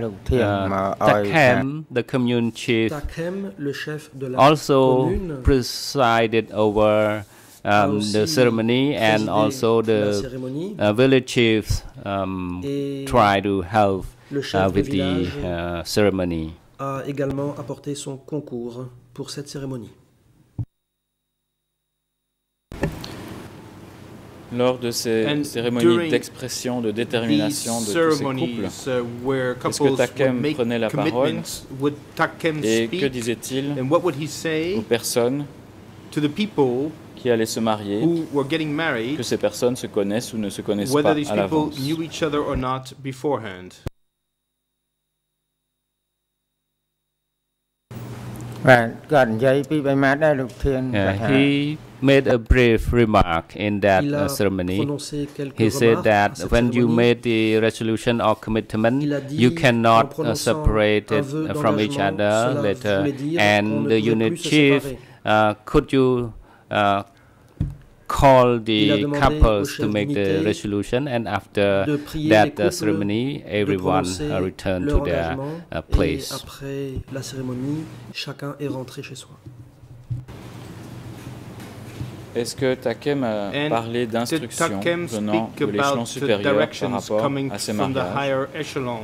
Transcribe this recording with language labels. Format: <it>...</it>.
<en>Takem, the commune chief, also presided over the ceremony, and also the village chiefs try to help with the ceremony.</en> <fr>A également apporté son concours pour cette cérémonie. Lors de ces cérémonies d'expression, de détermination de ces couples, est-ce que Takem prenait la parole et que disait-il aux personnes qui allaient se marier,</fr> <en>married,</en> <fr>que ces personnes se connaissent ou ne se connaissent pas à l'avance?</fr> <en>Knew each other or not beforehand. He made a brief remark in that ceremony. He said that when you made the resolution or commitment, you cannot separate it from each other later. And the unit chief, could you call the couples to make the resolution? And after that ceremony, everyone returned to their place.</en> <fr>Après la cérémonie, chacun est rentré chez soi. Est-ce que Takem a parlé d'instructions venant de l'échelon supérieur par rapport à ces mariages</fr>